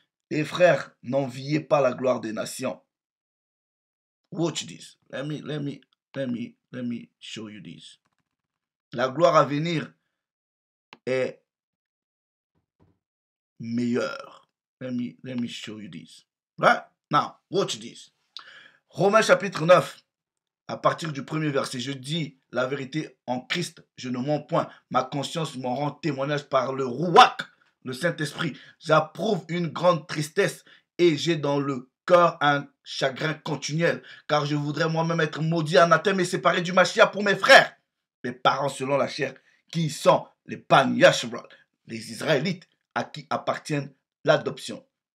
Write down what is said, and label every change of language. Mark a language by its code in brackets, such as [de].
[fr] Les frères, n'enviez pas la gloire des nations. [en] Watch this. Let me show you this. [fr] La gloire à venir est meilleure. [en] Let me show you this. Right? Now, watch this. [fr] Romains chapitre 9, À partir du premier verset, je dis la vérité en Christ, je ne mens point. Ma conscience m'en rend témoignage par le Rouac, le Saint-Esprit. J'approuve une grande tristesse et j'ai dans le cœur un chagrin continuel, car je voudrais moi-même être maudit, anathème et séparé du Mashiach pour mes frères, mes parents selon la chair, qui sont les Panyashrod, les Israélites à qui appartiennent l'adoption.